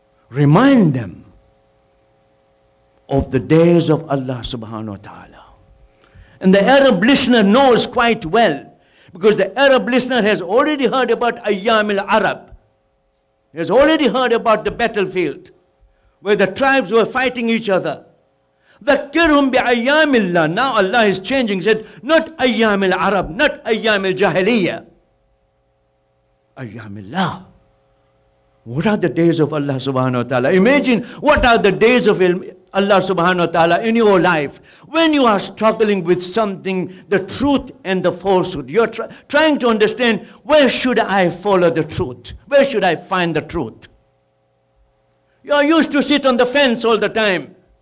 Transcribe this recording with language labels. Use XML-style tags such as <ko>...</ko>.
<en>Remind them of the days of Allah subhanahu wa ta'ala. And the Arab listener knows quite well, because the Arab listener has already heard about Ayyam al-Arab. He has already heard about the battlefield where the tribes were fighting each other.</en> <ar>ذَكِّرْهُمْ بِأَيَّامِ اللَّهِ.</ar> <en>Now Allah is changing. Said, not أَيَّامِ الْعَرَبِ, not أَيَّامِ الْجَاهِلِيَّةِ, أَيَّامِ اللَّهِ. What are the days of Allah subhanahu wa ta'ala? Imagine, what are the days of Allah subhanahu wa ta'ala in your life? When you are struggling with something, the truth and the falsehood, you're trying to understand, where should I follow the truth? Where should I find the truth? You are used to sit on the fence all the time.</en>